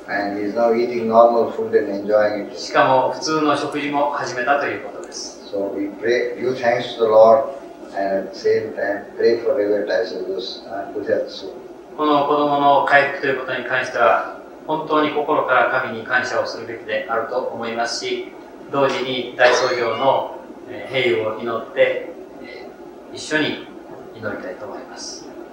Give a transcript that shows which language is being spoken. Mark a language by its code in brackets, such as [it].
[en] And he's now eating normal food and enjoying it. [ja] しかも普通の食事も始めたということです。 [en] So we pray, give thanks to the Lord and at the same time pray for revitalization of Bhujatsu. [ja] この子供の回復ということに関しては本当に心から神に感謝をするべきであると思いますし、同時に大僧侶の平穏を祈って一緒に祈りたいと思います。